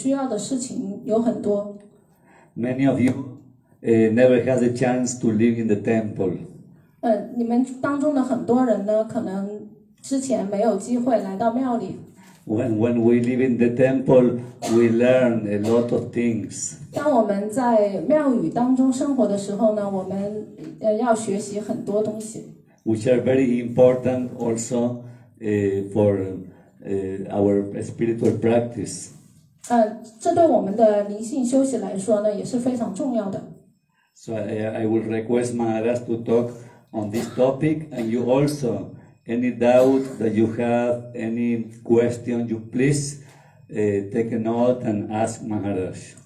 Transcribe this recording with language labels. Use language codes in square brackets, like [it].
[zh] 因为关于外施拉瓦礼仪呢，我们所需要的事情有很多。 [en] Many of you never had the chance to live in the temple. [zh] 你们当中的很多人呢，可能之前没有机会来到庙里。 [en] When we live in the temple, we learn a lot of things. [zh] 当我们在庙宇当中生活的时候呢，我们要学习很多东西。 [en] Which are very important also for our spiritual practice. [zh] 这对我们的灵性修习来说呢，也是非常重要的。 [en] So I will request Maharaj to talk on this topic, and you also. Any doubt that you have, any question, you please take a note and ask Maharaj.